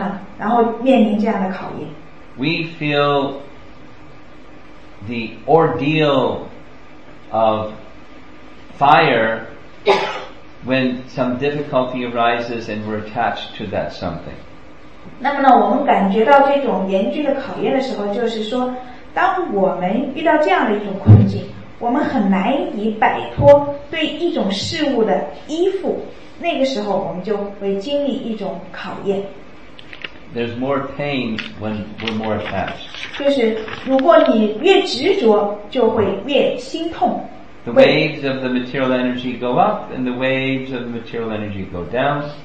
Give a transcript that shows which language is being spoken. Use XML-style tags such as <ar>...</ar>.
<zh>一个东西就砸在你头上，然后面临这样的考验。</zh> <en>We feel the ordeal of fire when some difficulty arises and we're attached to that something.</en> <zh>那么呢，我们感觉到这种严峻的考验的时候，就是说，当我们遇到这样的一种困境，我们很难以摆脱对一种事物的依附，那个时候我们就会经历一种考验。</zh> <en>There's more pain when we're more attached.</en> <zh>就是如果你越执着，就会越心痛。</zh> <en>The waves of the material energy go up, and the waves of the material energy go down.</en>